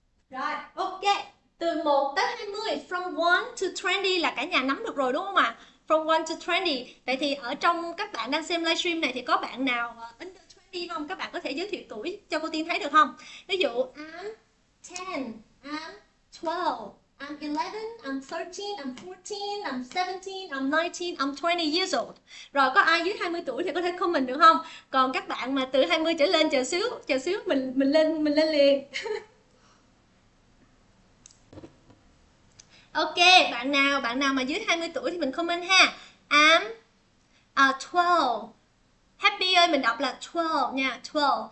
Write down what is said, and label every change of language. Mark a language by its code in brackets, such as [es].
[vi] Rồi, ok. Từ 1 tới 20, [en] from 1 to 20 [vi] là cả nhà nắm được rồi đúng không ạ? [en] From 1 to 20. [vi] Vậy thì ở trong các bạn đang xem livestream này thì có bạn nào [en] under 20 [vi] không? Các bạn có thể giới thiệu tuổi cho cô Tiên thấy được không? Ví dụ, [en] I'm 10, I'm 12. I'm 11, I'm 13, I'm 14, I'm 17, I'm 19, I'm 20 years old. [vi] Rồi có ai dưới 20 tuổi thì có thể comment được không? Còn các bạn mà từ 20 trở lên chờ xíu mình lên liền. Ok, bạn nào mà dưới 20 tuổi thì mình comment ha. [en] I'm 12. [vi] Happy ơi, mình đọc là 12 nha, 12.